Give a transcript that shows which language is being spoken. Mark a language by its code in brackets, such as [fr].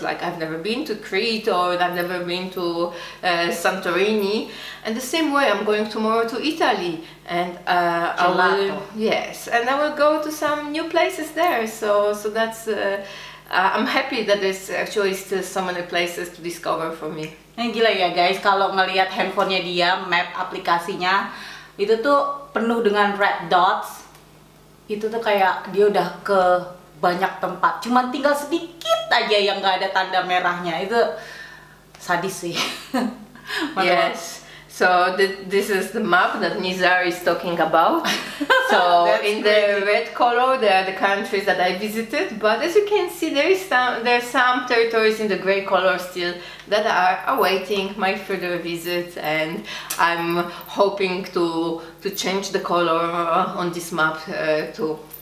[en] Like I've never been to Crete, or I've never been to Santorini. And the same way, I'm going tomorrow to Italy, and I will go to some new places there. So that's I'm happy that there's actually still so many places to discover for me. [id] And gila ya guys, kalau ngelihat handphonenya dia, map aplikasinya itu tuh penuh dengan red dots. Itu tuh kayak dia udah ke banyak tempat, cuman tinggal sedikit aja yang nggak ada tanda merahnya. Itu sadis sih. [en] Yes. So this is the map that Nizar is talking about. So in the red color there are the countries that I visited, but as you can see there are some territories in the gray color still that are awaiting my further visits, and I'm hoping to change the color on this map too.